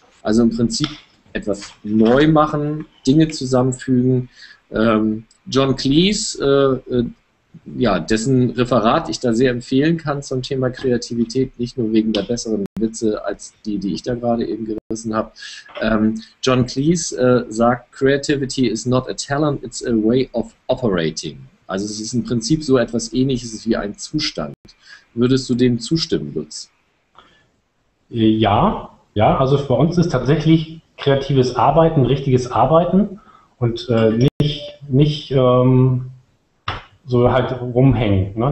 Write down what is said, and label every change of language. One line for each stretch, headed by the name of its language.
German: Also im Prinzip etwas neu machen, Dinge zusammenfügen. John Cleese, ja, dessen Referat ich da sehr empfehlen kann zum Thema Kreativität, nicht nur wegen der besseren Witze als die, die ich da gerade eben gerissen habe.
English: John Cleese sagt, Creativity is not a talent, it's a way of operating.
German: Also es ist im Prinzip so etwas Ähnliches wie ein Zustand. Würdest du dem zustimmen, Lutz? Ja, ja, also bei uns ist tatsächlich kreatives Arbeiten, richtiges Arbeiten und nicht so halt rumhängen. Ne?